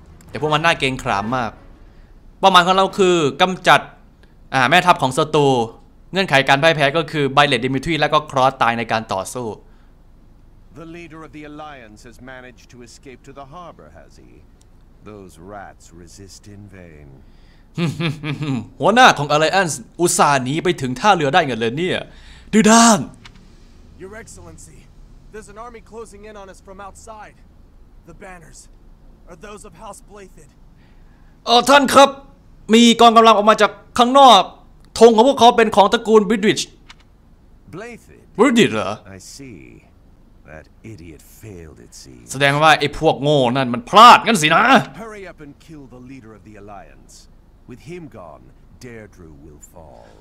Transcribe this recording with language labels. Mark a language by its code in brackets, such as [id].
[th] แต่พวกมันน่าเกรงขรามมากเป้าหมายของเราคือกำจัดแม่ทัพของศัตรูเงื่อนไขการพ่ายแพ้ก็คือไบเลตดิมิทรีและก็ครอสตายในการต่อสู้ [en] The leader of the alliance has managed to escape to the harbor, has he? Those rats resist in vain. [th] หัวหน้าของ Alliance อุตส่าห์หนีไปถึงท่าเรือได้เงินเลยเนี่ย ดูด้าน [en] Your Excellency, there's an army closing in on us from outside. The banners are those of House Blathid. [th] ท่านครับ มีกองกำลังออกมาจากข้างนอก ธงของพวกเขาเป็นของตระกูล Bridwich. [en] Blathid? [th] Bridwich, เหร [en] อ I see. That idiot failed, it seems. [th] แสดงว่าไอ้พวกโง่นั่นมันพลาดงั้นสินะ [en] Hurry up and kill the leader of the alliance. With him gone, Daredru will fall.